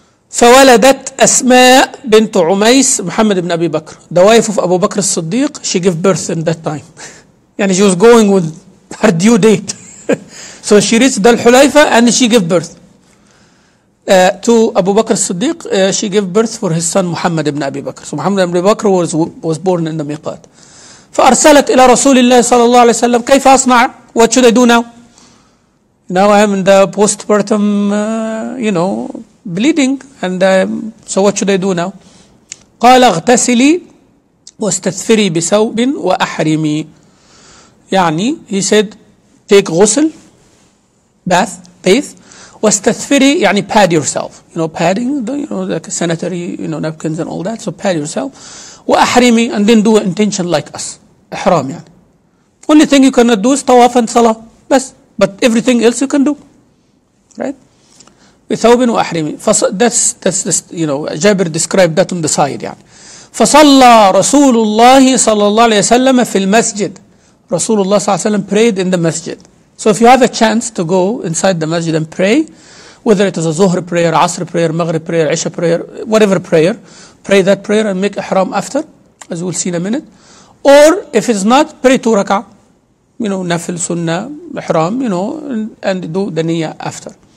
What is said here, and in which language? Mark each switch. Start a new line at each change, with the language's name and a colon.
Arabic: فولدت أسماء بنت عميس محمد بن أبي بكر.
English: The wife of Abu Bakr al-Siddiq, she gave birth in that time. يعني she was going with her due date. So she reached the الحليفة and she gave birth. To Abu Bakr al-Siddiq, she gave birth for his son Muhammad ibn Abi Bakr. So Muhammad ibn Abi Bakr was born in the Miqat.
Arabic: فأرسلت إلى رسول الله صلى الله عليه وسلم كيف أصنع؟
English: What should I do now? Now I am in the postpartum, you know, bleeding. And so what should I do now?
Arabic: قال اغتسلي واستثفري بثوب وأحرمي.
English: يعني he said, take غسل, bath, واستثفري يعني pad yourself, you know, padding, you know, like sanitary, you know, napkins and all that, so pad yourself. وأحرمي, and then do an intention like us, إحرام يعني. Only thing you cannot do is طواف and صلاة, بس, but everything else you can do, right?
Arabic: بثوب وأحرمي.
English: That's you know, Jabir described that on the side يعني.
Arabic: فصلى رسول الله صلى الله عليه وسلم في المسجد. رسول الله صلى الله عليه وسلم
English: prayed in the masjid. So if you have a chance to go inside the masjid and pray, whether it is a zuhr prayer, asr prayer, maghrib prayer, isha prayer, whatever prayer, pray that prayer and make ihram after, as we'll see in a minute. Or if it's not, pray two rak'ah, you know, nafil, sunnah, ihram, you know, and do the niyyah after.